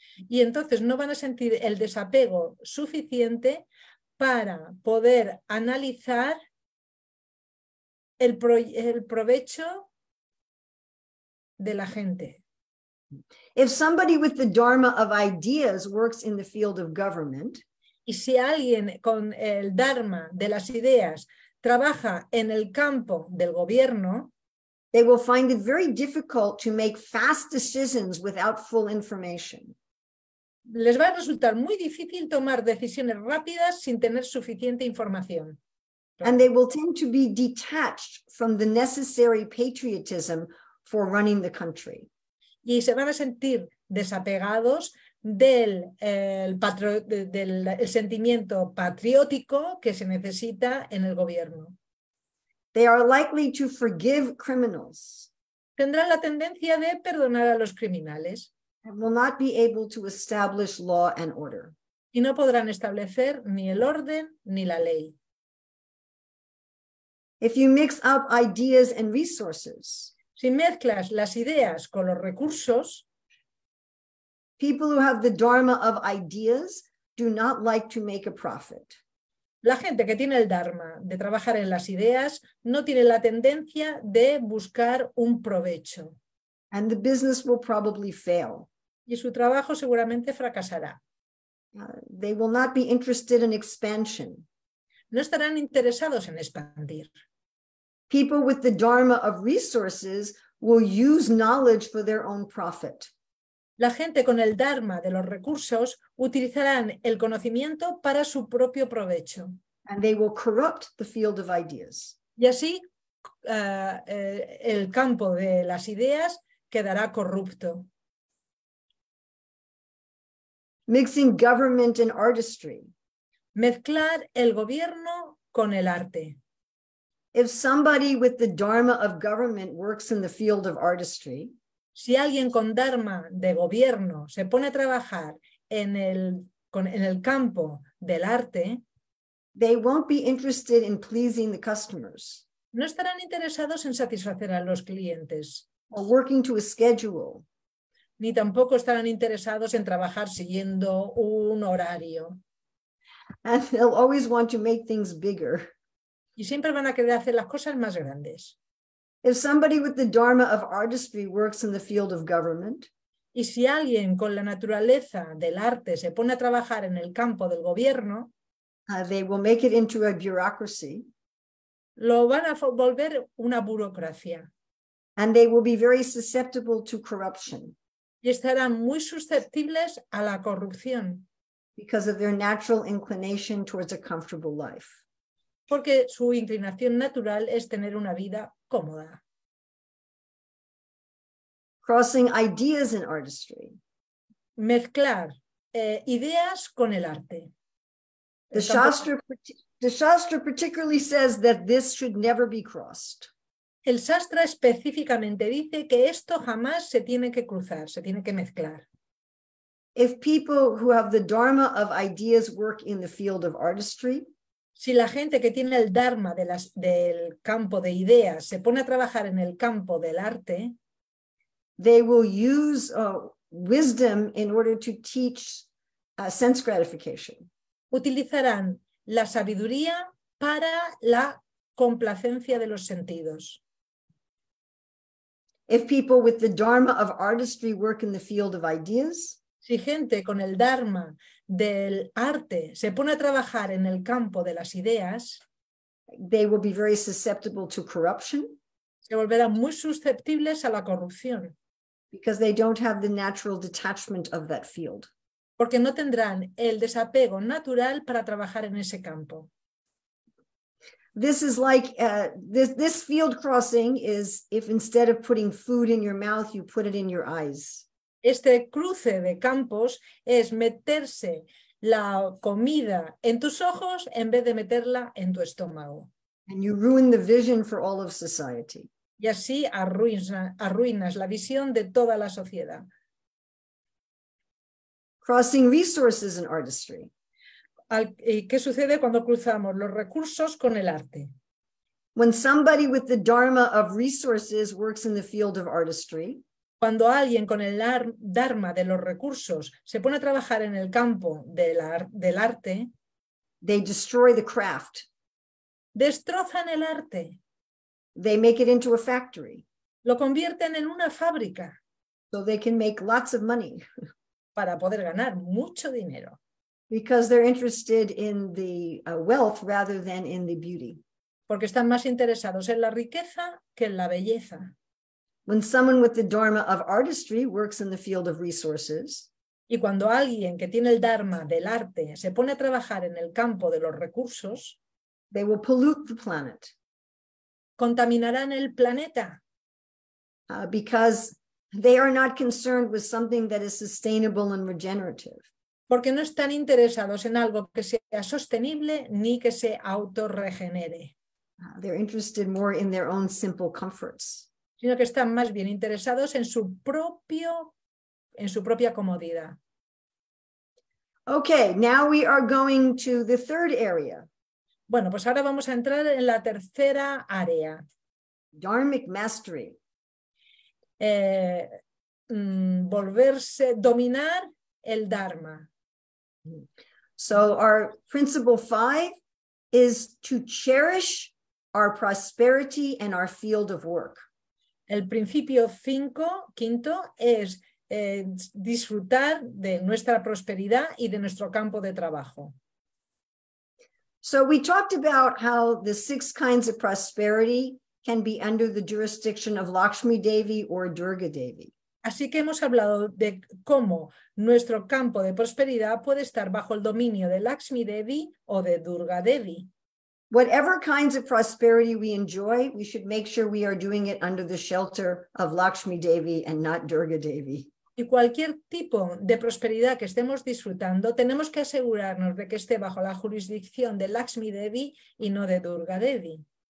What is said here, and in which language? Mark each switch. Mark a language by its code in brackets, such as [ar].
[es] Y entonces no van a sentir el desapego suficiente para poder analizar el provecho de la gente. [en] If somebody with the dharma of ideas works in the field of government, [es] y si alguien con el dharma de las ideas trabaja en el campo del gobierno, [en] they will find it very difficult to make fast decisions without full information. [es] Les va a resultar muy difícil tomar decisiones rápidas sin tener suficiente información. [en] And they will tend to be detached from the necessary patriotism for running the country. [es] Y se van a sentir desapegados del el sentimiento patriótico que se necesita en el gobierno. [en] They are likely to forgive criminals. [es] Tendrán la tendencia de perdonar a los criminales. [en] And will not be able to establish law and order. [es] Y no podrán establecer ni el orden ni la ley. [en] If you mix up ideas and resources, [es] si mezclas las ideas con los recursos, [en] people who have the dharma of ideas do not like to make a profit. [es] La gente que tiene el dharma de trabajar en las ideas no tiene la tendencia de buscar un provecho. [en] And the business will probably fail. [es] Y su trabajo seguramente fracasará. [en] They will not be interested in expansion. [es] No estarán interesados en expandir. [en] People with the dharma of resources will use knowledge for their own profit. [es] La gente con el dharma de los recursos utilizarán el conocimiento para su propio provecho. [en] And they will corrupt the field of ideas. [es] Y así el campo de las ideas quedará corrupto. [en] Mixing government and artistry. [es] Mezclar el gobierno con el arte. [en] If somebody with the dharma of government works in the field of artistry, [es] si alguien con dharma de gobierno se pone a trabajar en el campo del arte, [en] they won't be interested in pleasing the customers. [es] No estarán interesados en satisfacer a los clientes. [en] Or working to a schedule. [es] Ni tampoco estarán interesados en trabajar siguiendo un horario. [en] And they'll always want to make things bigger. [es] Y siempre van a querer hacer las cosas más grandes. [en] If somebody with the dharma of artistry works in the field of government, [es] y si alguien con la naturaleza del arte se pone a trabajar en el campo del gobierno, [en] They will make it into a bureaucracy. [es] Lo van a volver una burocracia. [en] And they will be very susceptible to corruption. [es] Y estarán muy susceptibles a la corrupción. [en] Because of their natural inclination towards a comfortable life. [es] Porque su inclinación natural es tener una vida cómoda. [en] Crossing ideas in artistry. [es] Mezclar ideas con el arte. [en] The Shastra particularly says that this should never be crossed. [es] El Shastra específicamente dice que esto jamás se tiene que cruzar, se tiene que mezclar. [en] If people who have the dharma of ideas work in the field of artistry, [es] si la gente que tiene el dharma de del campo de ideas se pone a trabajar en el campo del arte, [en] they will use wisdom in order to teach sense gratification. [es] Utilizarán la sabiduría para la complacencia de los sentidos. [en] If people with the dharma of artistry work in the field of ideas, [es] si gente con el dharma del arte se pone a trabajar en el campo de las ideas, [en] they will be very susceptible to corruption. [es] Se volverán muy susceptibles a la corrupción. [en] Because they don't have the natural detachment of that field. [es] Porque no tendrán el desapego natural para trabajar en ese campo. [en] This is like this field crossing is if instead of putting food in your mouth, you put it in your eyes. [es] Este cruce de campos es meterse la comida en tus ojos en vez de meterla en tu estómago. [en] And you ruin the vision for all of society. [es] Y así arruinas la visión de toda la sociedad. [en] Crossing resources in artistry. [es] ¿Qué sucede cuando cruzamos los recursos con el arte? [en] When somebody with the dharma of resources works in the field of artistry, [es] cuando alguien con el dharma de los recursos se pone a trabajar en el campo del arte, [en] they destroy the craft. [es] Destrozan el arte. [en] They make it into a factory. [es] Lo convierten en una fábrica. [en] So they can make lots of money. [es] Para poder ganar mucho dinero. [en] Because they're interested in the wealth rather than in the beauty. [es] Porque están más interesados en la riqueza que en la belleza. [en] When someone with the dharma of artistry works in the field of resources, [es] y cuando alguien que tiene el dharma del arte se pone a trabajar en el campo de los recursos, [en] they will pollute the planet. [es] Contaminarán el planeta. [en] Because they are not concerned with something that is sustainable and regenerative. [es] Porque no están interesados en algo que sea sostenible ni que se autorregenere. [en] They're interested more in their own simple comforts. [es] Sino que están más bien interesados en su propia comodidad. [en] Okay, now we are going to the third area. [es] Bueno, pues ahora vamos a entrar en la tercera área. [en] Dharmic mastery. [es] Volverse, dominar el dharma. [en] So our principle 5 is to cherish our prosperity and our field of work. [es] El principio 5, es disfrutar de nuestra prosperidad y de nuestro campo de trabajo. [en] So we talked about how the 6 kinds of prosperity can be under the jurisdiction of Lakshmi Devi or Durga Devi. [es] Así que hemos hablado de cómo nuestro campo de prosperidad puede estar bajo el dominio de Lakshmi Devi o de Durga Devi. [en] Whatever kinds of prosperity we enjoy, we should make sure we are doing it under the shelter of Lakshmi Devi and not Durga Devi. [es] Y cualquier tipo de prosperidad que estemos disfrutando, tenemos que asegurarnos de que esté bajo la jurisdicción de Lakshmi Devi y no de Durga Devi.